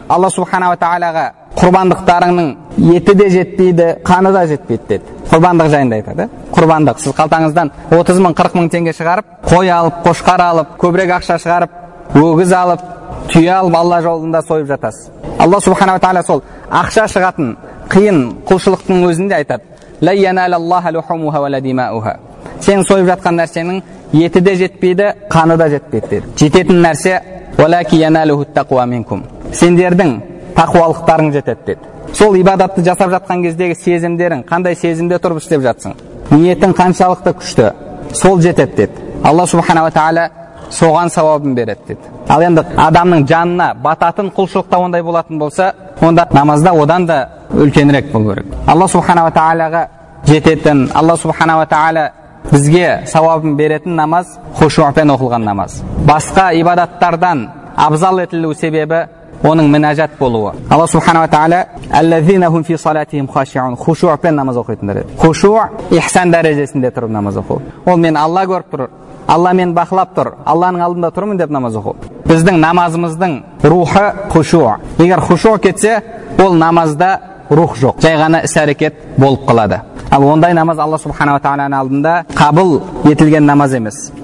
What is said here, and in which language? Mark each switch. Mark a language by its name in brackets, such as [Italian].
[Kazakh] Алла субхана ва тааляға құрбандықтарыңның еті де жетпейді, қаны да жетпейді деді. Құрбандық жайында айтады. Құрбандық сіз қалтаңыздан 30 мың, 40 мың теңге шығарып, қой алып, қошқар алып, көбірек ақша шығарып, өгіз алып, түйе алып Алла жолында сойып жатасыз. Алла субхана ва тааля сол ақша шығатын қиын құлшылықтың өзінде айтады. [Arabic] "Ла яналу Аллаха лухумуха ва ла димауха". [Kazakh] Сен сойып жатқан нәрсенің еті де жетпейді, қаны да жетпейді деді. Жететін нәрсе [Arabic] "Валаки яналуху ат-тақва минкум". [Kazakh] Сендердің тақуалықтарың жетеді деді. Сол ибадатты жасап жатқан кездегі сезімдерің, қандай сезімде тұрып істеп жатсың, ниетің қаншалықты күшті, сол жетеді деді. Алла субхана ва тааля соған сауабын береді деді. Ал енді адамның жанына бататын құлшылықта ондай болатын болса, онда намазда одан да үлкенірек болу керек. Алла субхана ва тааляға жететін, Алла субхана ва тааля бізге сауабын беретін намаз хушуъпен оқылған намаз. Басқа ибадаттардан абзал етілу себебі оның мінажат болуы. [Arabic] Алла субхана ва тааля "Аллазина хум фи салатихим хашиун". [Kazakh] Хушуъпен намаз оқитындар. Хушуъ ихсан дәрежесінде тұрып намаз оқу. Ол мен Алла көріп тұр, Алла мен бақылап тұр, Алланың алдында тұрмын деп намаз оқу. Біздің намазымыздың рухы хушуъ. Егер хушуъ кетсе, ол намазда рух жоқ. Жай ғана іс-әрекет болып қалады. Ал ондай намаз Алла субхана ва тааляның алдында қабыл етілген намаз емес.